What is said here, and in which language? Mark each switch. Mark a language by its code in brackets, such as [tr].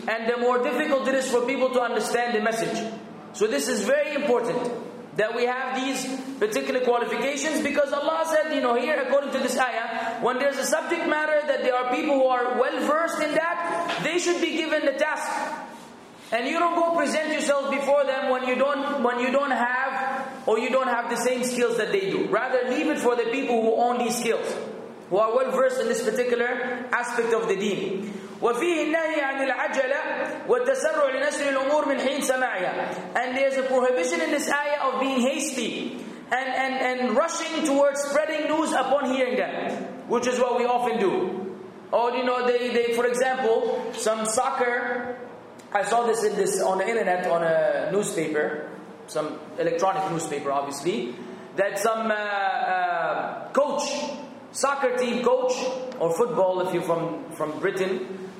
[en] And the more difficult it is for people to understand the message. So this is very important, that we have these particular qualifications, because Allah said, here according to this ayah, when there's a subject matter that there are people who are well versed in that, they should be given the task. And you don't go present yourself before them when you don't have the same skills that they do. Rather, leave it for the people who own these skills, who are well versed in this particular aspect of the deen. [ar] وفيه النهي عن العجلة والتسرع لنسر الأمور من حين سماعها. [en] And there's a prohibition in this ayah of being hasty and rushing towards spreading news upon hearing them, which is what we often do. They for example, some soccer. I saw this in this on the internet on a newspaper, some electronic newspaper, obviously, that some coach, soccer team coach or football, if you're from Britain.